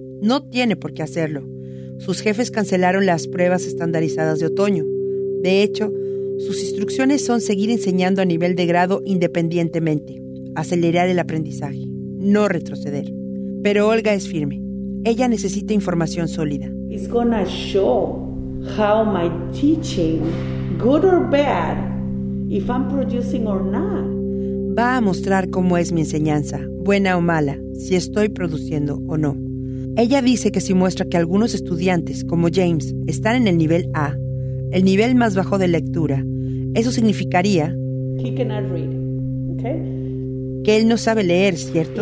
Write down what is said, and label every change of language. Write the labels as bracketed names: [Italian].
[Spanish] No tiene por qué hacerlo. Sus jefes cancelaron las pruebas estandarizadas de otoño. De hecho, sus instrucciones son seguir enseñando a nivel de grado independientemente, acelerar el aprendizaje, no retroceder. Pero Olga es firme. Ella necesita información sólida. [English] It's gonna show how my teaching, good or bad, if I'm producing or not. [Spanish] Va a mostrar cómo es mi enseñanza, buena o mala, si estoy produciendo o no. Ella dice que si muestra que algunos estudiantes, como James, están en el nivel A, el nivel más bajo de lectura, eso significaría que él no sabe leer, ¿cierto?